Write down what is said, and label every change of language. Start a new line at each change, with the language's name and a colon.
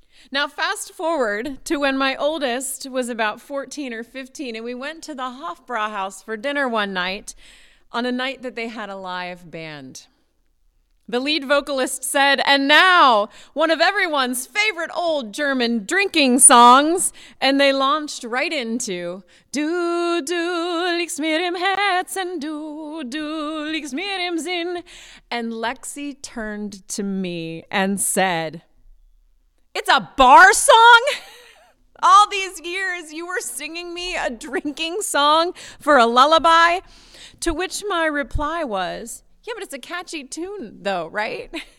English: Now, fast forward to when my oldest was about 14 or 15, and we went to the Hofbräuhaus for dinner one night on a night that they had a live band. The lead vocalist said, "And now, one of everyone's favorite old German drinking songs." And they launched right into,
German: "Du, du, liegst mir im Herzen, du, du, liegst mir im Sinn."
English: And Lexi turned to me and said, "It's a bar song? All these years you were singing me a drinking song for a lullaby?" To which my reply was, "Yeah, but it's a catchy tune though, right?"